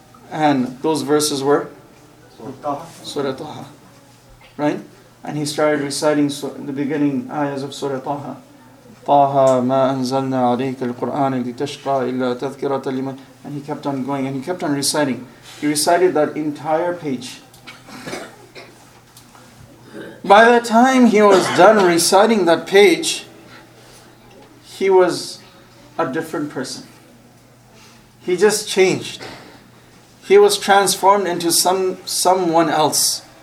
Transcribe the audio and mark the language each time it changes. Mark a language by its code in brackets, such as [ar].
[en] And those verses were? Surah Taha. Right? And he started reciting in the beginning ayahs of Surah Taha. [ar] طه ما أنزلنا عليك القرآن لتشقى إلا تذكرة لمن. [en] And he kept on going and he kept on reciting. He recited that entire page. By the time he was done reciting that page, he was a different person. He just changed. He was transformed into someone else.